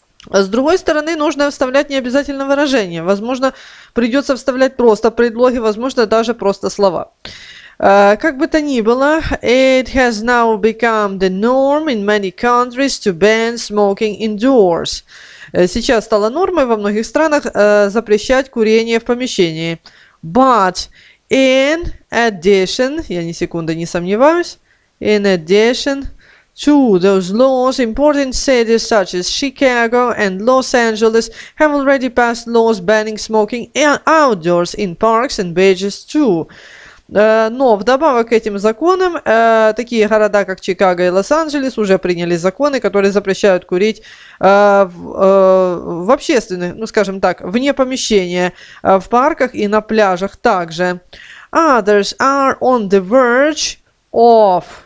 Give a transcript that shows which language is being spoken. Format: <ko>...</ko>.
<ru>А с другой стороны, нужно вставлять не обязательно выражение. Возможно, придется вставлять просто предлоги, возможно, даже просто слова. Как бы то ни было,</ru> <en>it has now become the norm in many countries to ban smoking indoors.</en> <ru>Сейчас стало нормой во многих странах запрещать курение в помещении.</ru> <en>But in addition,</en> <ru>я ни секунды не сомневаюсь,</ru> <en>in addition to those laws, important cities such as Chicago and Los Angeles have already passed laws banning smoking outdoors in parks and beaches too.</en> <ru>Но вдобавок к этим законам, такие города, как Чикаго и Лос-Анджелес, уже приняли законы, которые запрещают курить в общественных, ну скажем так, вне помещения, в парках и на пляжах также.</ru> <en>Others are on the verge of.</en>